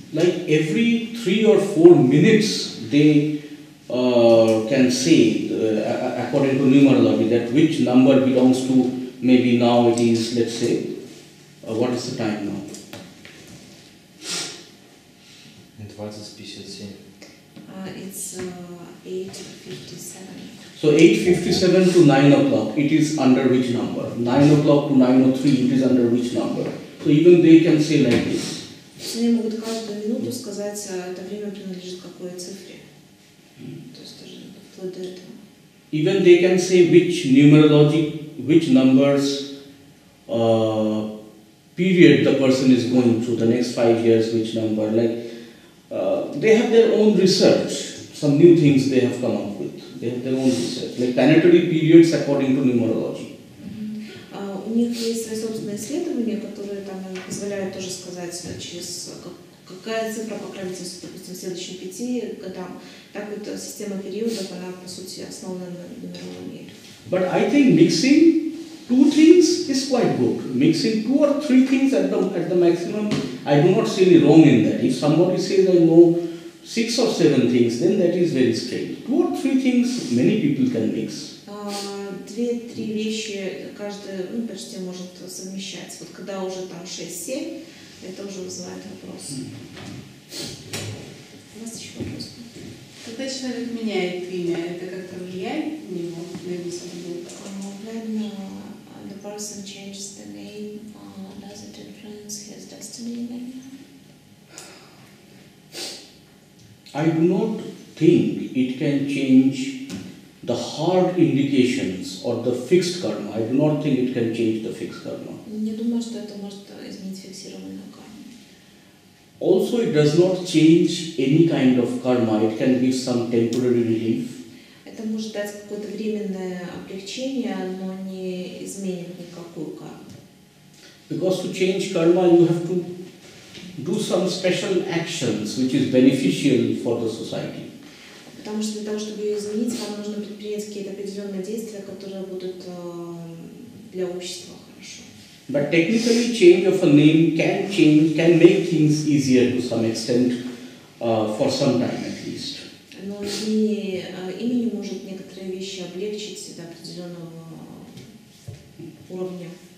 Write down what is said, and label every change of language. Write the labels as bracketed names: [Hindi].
[English] Like every 3 or 4 minutes they can say according to numerology that which number belongs to maybe now it is let's say. What is the time now? 20:57. It's 8:57. So 8:57 to 9 o'clock, it is under which number? 9 o'clock to 9:03, it is under which number? So even they can say like this. [Russian] Они могут каждую минуту сказать, это время принадлежит какой цифре. То есть даже вплоть до этого. [English] Even they can say which numerology, which numbers. Period the person is going through the next 5 years, which number, like they have their own research, some new things they have come up with. They have their own research, like planetary periods according to numerology. [Russian] У них есть свои собственные исследования, которые там позволяют тоже сказать, через какая цифра по крайней мере, допустим, следующие 5 годам. Так вот система периодов, она по сути основана на нумерологии. [English] But I think mixing two things is quite good. Mixing 2 or 3 things at the maximum, I do not see any wrong in that. If somebody says I know 6 or 7 things, then that is very strange. 2 or 3 things, many people can mix. [Russian] 2-3 вещи каждый почти может совмещать. Вот когда уже там 6-7, это уже вызывает вопрос. У вас еще вопрос? Когда человек меняет имя, это как-то влияет на него, на его судьбу? [English] If a person changes the name, does it influence his destiny in any way? I do not think it can change the hard indications or the fixed karma. I do not think it can change the fixed karma. [Russian] Не думаю, что это может изменить фиксированную карму. [English] Also, it does not change any kind of karma. It can give some temporary relief. [Russian] Это может дать какое-то временное облегчение, но не изменит никакую карму. [English] Because to change karma, you have to do some special actions, which is beneficial for the society. [Russian] Потому что для того, чтобы ее изменить, вам нужно предпринять какие-то определенные действия, которые будут для общества хорошо. [English] But technically, change of a name can change, can make things easier to some extent, for some time at least. [Russian] Но изменение имени может некоторые вещи облегчить до определенного уровня.